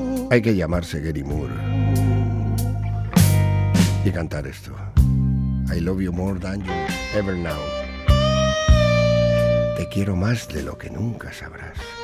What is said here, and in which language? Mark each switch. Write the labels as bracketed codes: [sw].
[es] Hay que llamarse Gary Moore y cantar esto. [en] I love you more than you ever know. [es] Te quiero más de lo que nunca sabrás.